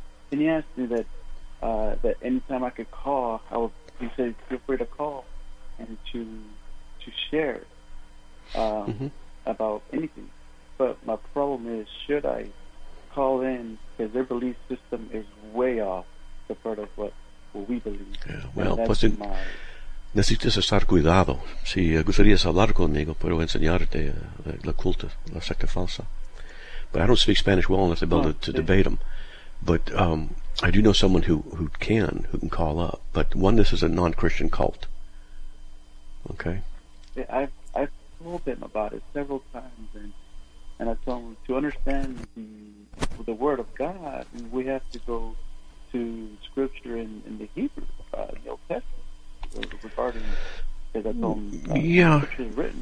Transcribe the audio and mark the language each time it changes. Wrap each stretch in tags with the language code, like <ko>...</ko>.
<en>And he asked me that that anytime I could call, he said, feel free to call. And to share about anything, but my problem is, should I call in because their belief system is way off compared to what we believe? Yeah, well,</en> <es>pues necesitas estar cuidado. Si gustarías hablar conmigo, puedo enseñarte la culta, la secta falsa.</es> <en>But I don't speak Spanish well enough to be able to debate them. But I do know someone who can call up. But one, this is a non-Christian cult. Okay. Yeah, I've told him about it several times, and I told him to understand the word of God, we have to go to scripture in the Hebrew, the Old Testament, regarding because I told him scripture is written.</en>